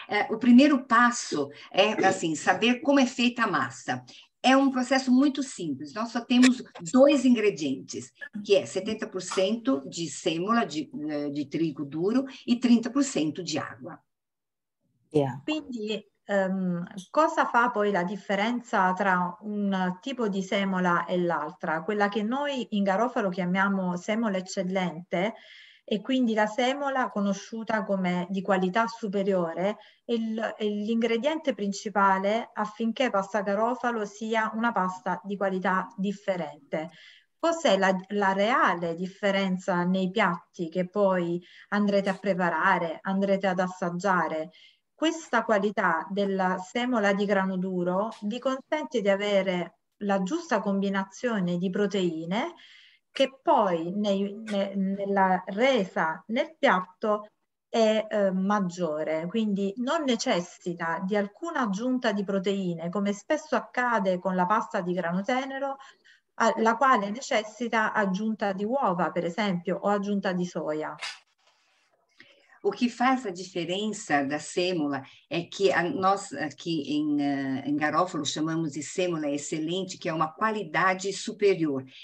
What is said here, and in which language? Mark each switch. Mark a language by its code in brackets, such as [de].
[pt] O primeiro passo é assim, saber como é feita a massa. É um processo muito simples. Nós só temos dois ingredientes, que é 70% de sêmola de trigo duro e 30% de água. [it] Quindi cosa fa poi la differenza tra un tipo di semola e l'altra? Quella che noi in garofalo chiamiamo semola eccellente e quindi la semola conosciuta come di qualità superiore è l'ingrediente principale affinché pasta garofalo sia una pasta di qualità differente. Cos'è la reale differenza nei piatti che poi andrete a preparare, andrete ad assaggiare? Questa qualità della semola di grano duro vi consente di avere la giusta combinazione di proteine che poi nella resa nel piatto è maggiore, quindi non necessita di alcuna aggiunta di proteine, come spesso accade con la pasta di grano tenero, la quale necessita aggiunta di uova, per esempio, o aggiunta di soia. [pt] O que faz a diferença da sêmola é que nós aqui em Garófalo chamamos de sêmola excelente, que é uma qualidade superior.